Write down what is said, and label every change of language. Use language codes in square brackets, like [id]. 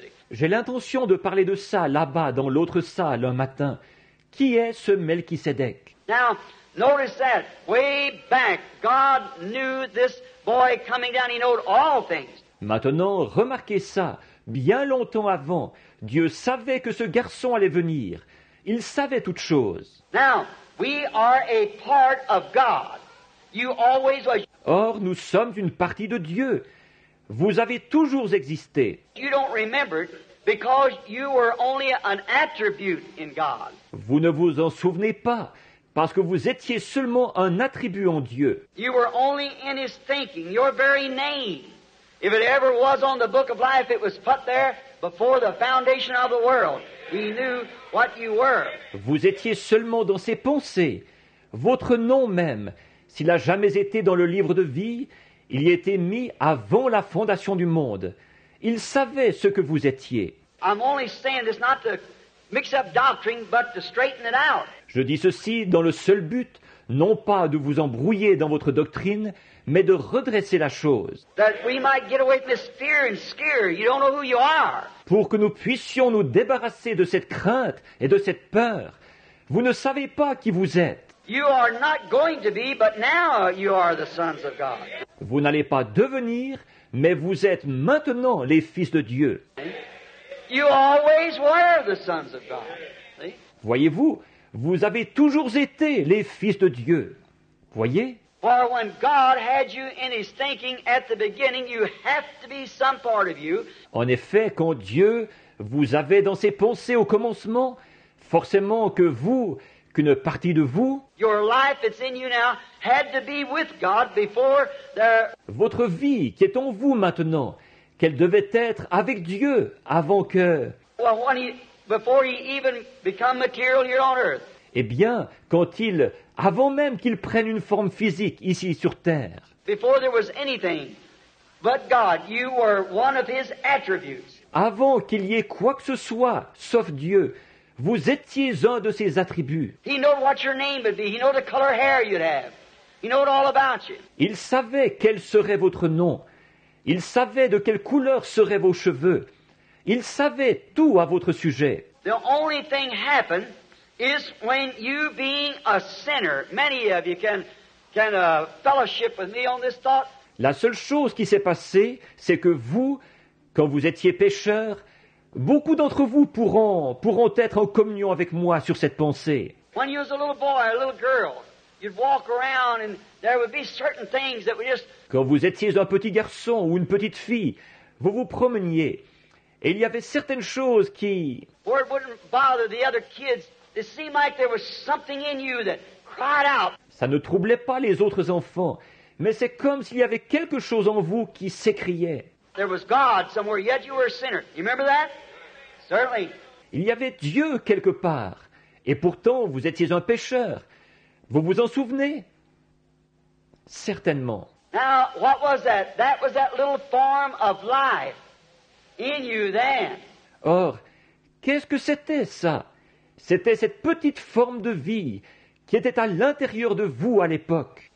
[fr] J'ai l'intention de parler de ça là-bas dans l'autre salle un matin. Qui est ce Melchisédek? [en] Now, notice that way back, God knew this boy coming down. He knew all things. [fr] Maintenant, remarquez ça. Bien longtemps avant, Dieu savait que ce garçon allait venir. Il savait toutes choses. [en] Now, we are a part of God. You always was. [fr] Or, nous sommes une partie de Dieu. Vous avez toujours existé. [en] You don't remember because you were only an attribute in God. [fr] Vous ne vous en souvenez pas parce que vous étiez seulement un attribut en Dieu. [en] You were only in his thinking, your very name. If it ever was on the book of life, it was put there before the foundation of the world. He knew what you were. [fr] Vous étiez seulement dans ses pensées, votre nom même. S'il a jamais été dans le livre de vie, il y était mis avant la fondation du monde. Il savait ce que vous étiez. [en] I'm only saying this not to mix up doctrine, but to straighten it out. [fr] Je dis ceci dans le seul but, non pas de vous embrouiller dans votre doctrine, mais de redresser la chose. [en] That we might get away from this fear and scare. You don't know who you are. [fr] Pour que nous puissions nous débarrasser de cette crainte et de cette peur. Vous ne savez pas qui vous êtes. [en] You are not going to be, but now you are the sons of God. [fr] Vous n'allez pas devenir, mais vous êtes maintenant les fils de Dieu. [en] You always were the sons of God. [fr] Voyez-vous, vous avez toujours été les fils de Dieu. Voyez? [en] For when God had you in his thinking at the beginning, you have to be some part of you. [fr] En effet, quand Dieu vous avait dans ses pensées au commencement, forcément que vous, qu'une partie de vous, [en] your life that's in you now had to be with God before there. [fr] Votre vie qui est en vous maintenant, qu'elle devait être avec Dieu avant que. [en] Well, when he, before he even become material here on earth. [fr] Eh bien, quand il, avant même qu'il prenne une forme physique ici sur terre. [en] Before there was anything but God, you were one of his attributes. [fr] Avant qu'il y ait quoi que ce soit, sauf Dieu, vous étiez un de ses attributs. [en] He knew what your name would be. He knew the color hair you'd have. He knew all about you. [fr] Il savait quel serait votre nom. Il savait de quelle couleur seraient vos cheveux. Il savait tout à votre sujet. [en] The only thing happened is when you being a sinner, many of you can fellowship with me on this thought. [fr] La seule chose qui s'est passée, c'est que vous, quand vous étiez pécheur, beaucoup d'entre vous pourront être en communion avec moi sur cette pensée. [en] When you was a little boy, a little girl, you'd walk around and there would be certain things that would just. [fr] Quand vous étiez un petit garçon ou une petite fille, vous vous promeniez et il y avait certaines choses qui. [en] Or it wouldn't bother the other kids. It seemed like there was something in you that cried out. [fr] Ça ne troublait pas les autres enfants, mais c'est comme s'il y avait quelque chose en vous qui s'écriait. [en] There was God somewhere, yet you were a sinner. You remember that? Certainly. [fr] Il y avait Dieu quelque part, et pourtant vous étiez un pécheur. Vous vous en souvenez? Certainement. [en] Now, what was that? That was that little form of life in you then. [fr] Or, qu'est-ce que c'était ça? C'était cette petite forme de vie qui était à l'intérieur de vous à l'époque.